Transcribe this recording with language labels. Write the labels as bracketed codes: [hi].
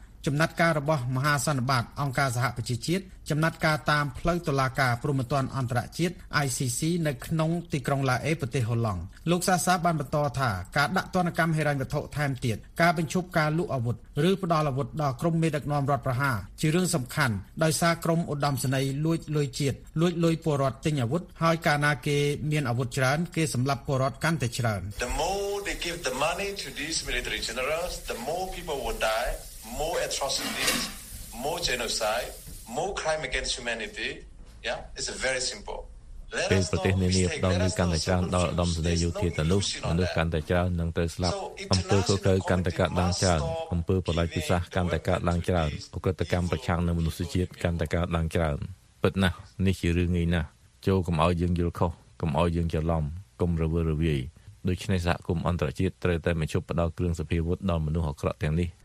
[km] ចំណាត់ការរបស់មហាសន្និបាតអង្គការសហប្រជាជាតិចំណាត់ការតាមផ្លូវតុលាការព្រហ្មទណ្ឌអន្តរជាតិ ICC នៅក្នុងទីក្រុងឡាអេប្រទេសហូឡង់លោកសាសាបានបន្តថាការដាក់ទណ្ឌកម្មហិរញ្ញវត្ថុថែមទៀតការបញ្ឈប់ការលក់អាវុធឬផ្ដល់អាវុធដល់ក្រុមមេដឹកនាំរដ្ឋប្រហារជារឿងសំខាន់ដោយសារក្រុមឧត្តមសេនីយ៍លួចលុយជាតិលួចលុយពលរដ្ឋទិញអាវុធហើយកាលណាគេមានអាវុធច្រើនគេសម្លាប់ពលរដ្ឋកាន់តែច្រើន [en] The more they give the money to these military generals the more people will die more atrocities more genocide more crime against humanity yeah it's a very simple [km] ពេលប្រទេសនានាផ្ដល់លុយកាន់តែច្រើនដល់ឧត្តមសេនីយ៍យោធាទាំងនោះមនុស្សកាន់តែច្រើននឹងត្រូវស្លាប់អំពើគុកកើកាន់តែកើតឡើងច្រើនអំពើបដិវត្តន៍កាន់តែកើតឡើងច្រើនឧក្រិដ្ឋកម្មប្រឆាំងនឹងមនុស្សជាតិកាន់តែកើតឡើងច្រើនពិតណាស់នេះជារឿងងាយណាស់ចូលកុំឲ្យយើងយល់ខុសកុំឲ្យយើងច្រឡំកុំរវល់រវាយដូច្នេះសហគមន៍អន្តរជាតិត្រូវតែមកជួយផ្ដល់គ្រឿងសង្គ្រោះអាវុធដល់មនុស្សអាក្រក់ទាំងនេះ